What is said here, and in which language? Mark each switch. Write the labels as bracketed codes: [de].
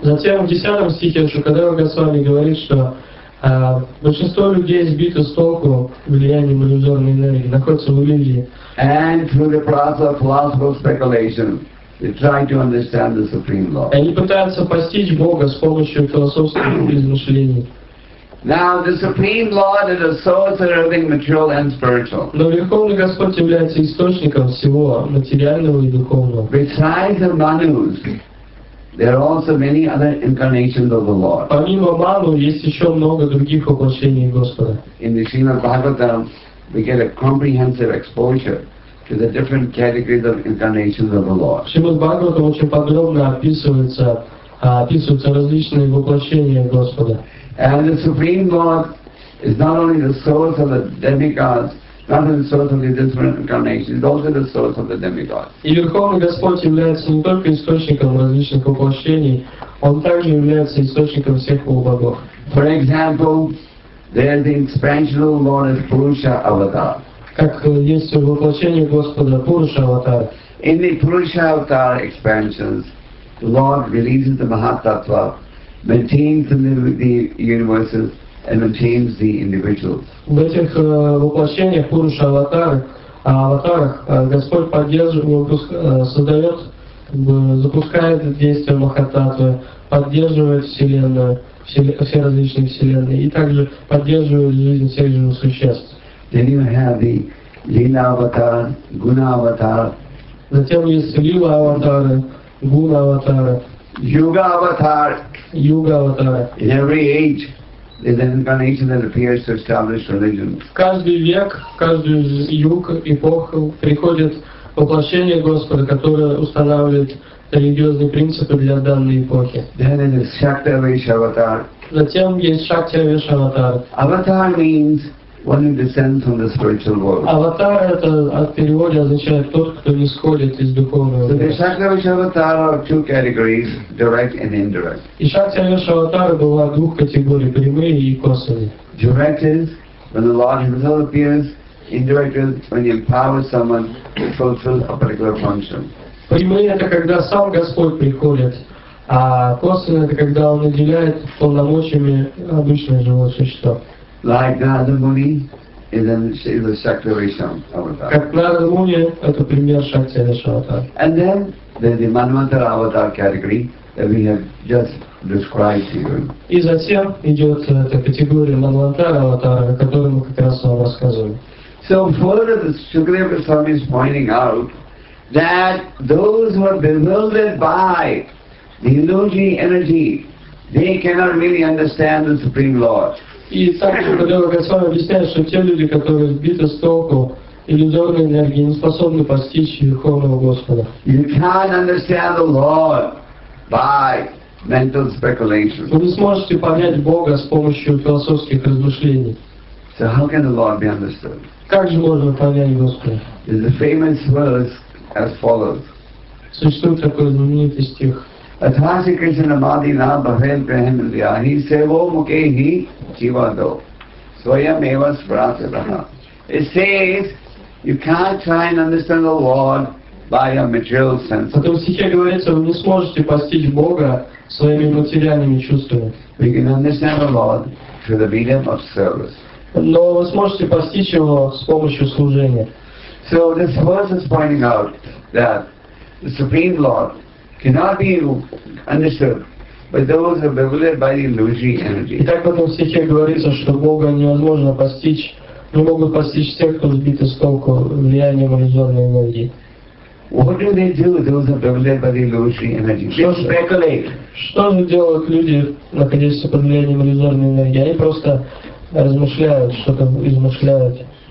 [ru] Затем в 10 стихе Шукадева Госвами говорит, что большинство людей сбито с толку влиянием иллюзорной энергии, находятся в иллюзии. [en] And through the process of philosophical speculation, they try to understand the Supreme Law. [ru] Они пытаются постичь Бога с помощью философских измышлений. [en] Now the Supreme Lord is the source of everything material and spiritual. [ru] Но Верховный Господь является источником всего материального и духовного. [en] Besides the Manus, there are also many other incarnations of the Lord. [ru] Помимо Ману есть еще много других воплощений Господа. [en] In the Srimad Bhagavatam, we get a comprehensive exposure to the different categories of incarnations of the Lord. [ru] Srimad Bhagavatam очень подробно описываются различные воплощения Господа. [en] And the Supreme Lord is not only the source of the demigods not in the source of the different incarnations, but also the source of the demigod. [ru] И Верховный Господь является не только источником различных воплощений, Он также является источником всех полубогов. [en] For example, there is the expansional Lord as Purusha Avatar. [ru] Как есть воплощение Господа Пуруша Аватар. [en] In the Purusha Avatar expansions, the Lord releases the Mahatattva, maintains the universes, and maintains the individuals. [ru] В этих воплощениях Пуруша Аватар, Господь поддерживает, создает, запускает действие Махататвы, поддерживает Вселенную, все различные Вселенные, и также поддерживает жизнь всех живых существ. [en] Then you have the Lila Avatar, Guna Avatar. [ru] Затем есть Лила Аватар, Гуна Аватар. Юга Аватар. Юга Аватар. [en] In every age, there's an incarnation that appears to establish religion. [ru] В каждый век, в каждую юг, эпоху приходит воплощение Господа, которое устанавливает религиозные принципы для данной эпохи. [en] Then it is Shakti Avesh Avatar. [ru] Затем есть Shakti Avesh Avatar. [en] Avatar means one who descends from the spiritual world. [ru] Аватар это от перевода означает тот, кто нисходит из духовного мира. [en] So the Shakti Avesh Avatar are two categories, direct and indirect. [ru] И Shakti Avesh Avatar была двух категорий, прямые и косвенные. [en] Direct is when the Lord Himself appears. Indirect is when you empower someone to fulfill a particular function. [ru] Прямые это когда сам Господь приходит, а косвенные это когда Он наделяет полномочиями обычное живое существо. [en] Like Narada Muni is a Shakti Avesh Avatar. [ru] Как Narada Muni это пример Shakti Avesh Avatar. [en] And then there's the Manvantara Avatar category that we have just described to you. [ru] И затем идет эта категория Манвантара Аватара, о которой мы как раз вам рассказывали. [en] So further, Shukadeva Goswami is pointing out that those who are bewildered by the illusory energy, they cannot really understand the Supreme Lord. [ru] И так Шукадева Госвами объясняет, что те люди, которые сбиты с толку иллюзорной энергии, не способны постичь Верховного Господа. [en] You can't understand the Lord by mental speculation. [ru] Вы не сможете понять Бога с помощью философских размышлений. [en] So how can the Lord be understood? [ru] Как же можно понять Господа? [en] The famous verse as follows. [ru] Существует такой знаменитый стих. Atasi Krishna Madhi Na Bhavel Prahim Liya He Sevo Mukehi Jiva Do Swayam Eva Svarasya Raha. [en] It says, you can't try and understand the Lord by your material senses. [ru] Потом в стихе говорится, вы не сможете постичь Бога своими материальными чувствами. [en] We can understand the Lord through the medium of service. [ru] Но вы сможете постичь его с помощью служения. [en] So this verse is pointing out that the Supreme Lord cannot be understood by those who are bewildered by the illusory energy. [ru] Итак, в этом стихе говорится, что Бога невозможно постичь, не могут постичь тех, кто сбиты с толку влиянием иллюзорной энергии. [en] What do they do, those who are bewildered by the illusory energy? They speculate. [ru] Что же делают люди, находящиеся под влиянием иллюзорной энергии? Они просто размышляют, что-то измышляют.